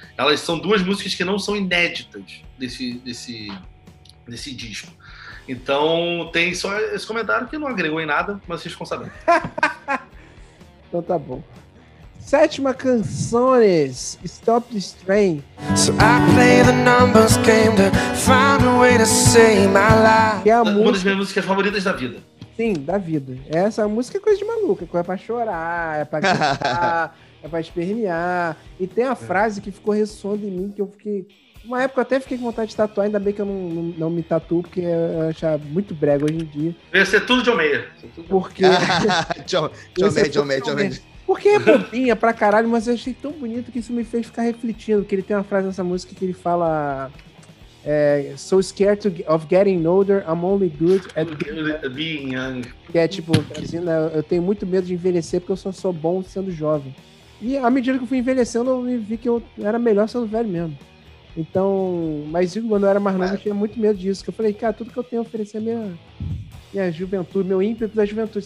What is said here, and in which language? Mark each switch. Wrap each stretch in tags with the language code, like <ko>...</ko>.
<pt>Elas são duas músicas que não são inéditas desse disco. Então, tem só esse comentário que não agregou em nada, mas vocês ficam sabendo. Então tá bom. Sétima canções, Stop the Strain.</pt> <en>So I play the numbers game to find a way to save my life.</en> <pt>É uma das minhas músicas favoritas da vida. Sim, da vida. Essa música é coisa de maluca, é pra chorar, é pra gritar, é pra espernear. E tem a frase que ficou ressoando em mim, que eu fiquei... Uma época eu até fiquei com vontade de tatuar, ainda bem que eu não me tatuo, porque eu achava muito brega hoje em dia. Ia ser tudo John Mayer. Porque... John Mayer. Porque é bobinha pra caralho, mas eu achei tão bonito que isso me fez ficar refletindo, que ele tem uma frase nessa música que ele fala...</pt> <en>So scared of getting older, I'm only good at being young.</en> <pt>Que é tipo, assim, né, eu tenho muito medo de envelhecer porque eu só sou bom sendo jovem. E à medida que eu fui envelhecendo, eu vi que eu era melhor sendo velho mesmo. Então, mas quando eu era mais novo, eu tinha muito medo disso. Que eu falei, cara, tudo que eu tenho a oferecer é minha juventude, meu ímpeto da juventude.</pt>